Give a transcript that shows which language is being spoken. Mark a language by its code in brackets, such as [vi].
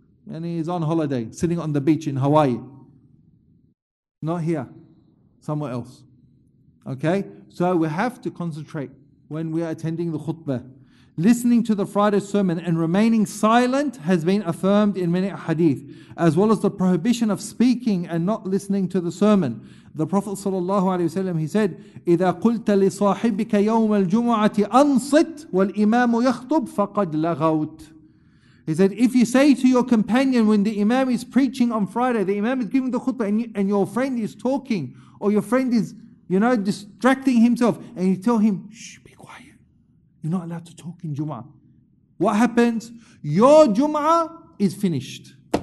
[en] And he's on holiday, sitting on the beach in Hawaii. Not here, somewhere else. Okay? So we have to concentrate when we are attending the khutbah. Listening to the Friday sermon and remaining silent has been affirmed in many hadith, as well as the prohibition of speaking and not listening to the sermon. The Prophet ﷺ, he said, [ar] إِذَا قُلْتَ لِصَاحِبِكَ يَوْمَ الْجُمُعَةِ أَنصِتْ وَالْإِمَامُ يَخْطُبْ فَقَدْ لَغَوْتْ. [en] He said, if you say to your companion when the imam is preaching on Friday, the imam is giving the khutbah and your friend is talking, or your friend is, distracting himself, and you tell him, shh, be quiet. You're not allowed to talk in Jum'ah. What happens? Your Jum'ah is finished.